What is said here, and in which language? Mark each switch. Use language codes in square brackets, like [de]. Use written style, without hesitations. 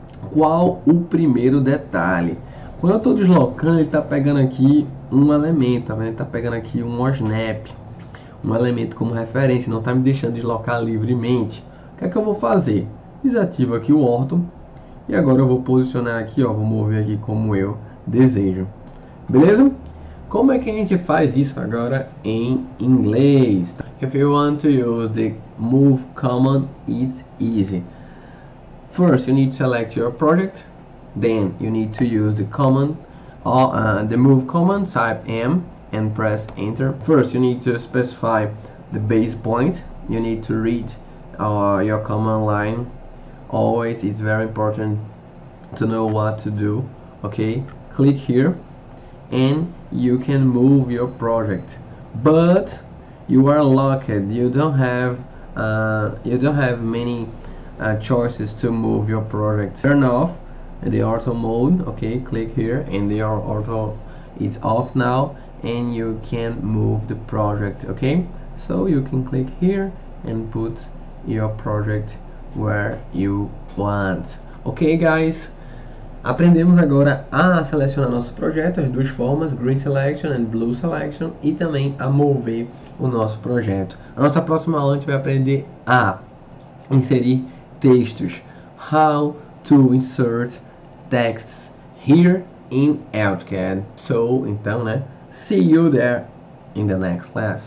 [pt] Qual o primeiro detalhe? Quando eu estou deslocando, ele está pegando aqui um elemento, tá vendo? Ele está pegando aqui um OSNAP, um elemento como referência. Não está me deixando deslocar livremente. O que é que eu vou fazer? Desativo aqui o Orto. E agora eu vou posicionar aqui, ó. Vou mover aqui como eu desejo. Beleza? Como é que a gente faz isso agora em inglês? [en] If you want to use the move command, it's easy. First, you need to select your project. Then, you need to use the command, the move command. Type M and press Enter. First, you need to specify the base point. You need to read your command line. Always, it's very important to know what to do. Okay, click here. And you can move your project, but you are locked. You don't have many choices to move your project. Turn off the auto mode. Okay, click here, and the auto it's off now, and you can move the project. Okay, so you can click here and put your project where you want. Okay, guys. [pt] Aprendemos agora a selecionar nosso projeto, as duas formas, Green Selection e Blue Selection, e também a mover o nosso projeto. Na nossa próxima aula, a gente vai aprender a inserir textos. [en] How to insert texts here in AutoCAD. So, [pt] então, né? [en] See you there in the next class.